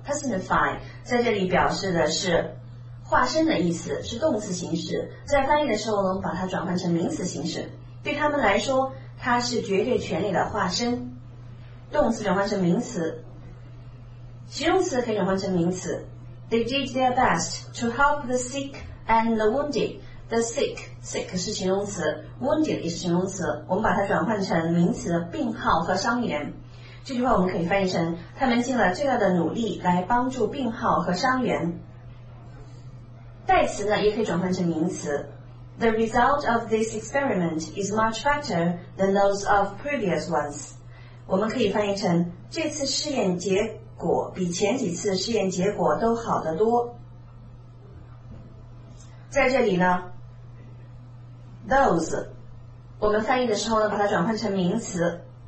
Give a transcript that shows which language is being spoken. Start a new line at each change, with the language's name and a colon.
Chinese: Personify 在这里表示的是化身的意思，是动词形式，在翻译的时候呢把它转换成名词形式。对他们来说，它是绝对权力的化身。动词转换成名词，形容词可以转换成名词。
English: They did their best to help the sick and the wounded.
Chinese: The sick 是形容词， wounded 也是形容词，我们把它转换成名词，病号和伤员。这句话我们可以翻译成，他们尽了最大的努力来帮助病号和伤员。代词呢，也可以转换成名词。
English: The result of this experiment is much better than those of previous ones.
Chinese: 我们可以翻译成，这次试验结果比前几次试验结果都好得多。在这里呢 ，those， 我们翻译的时候呢，把它转换成名词。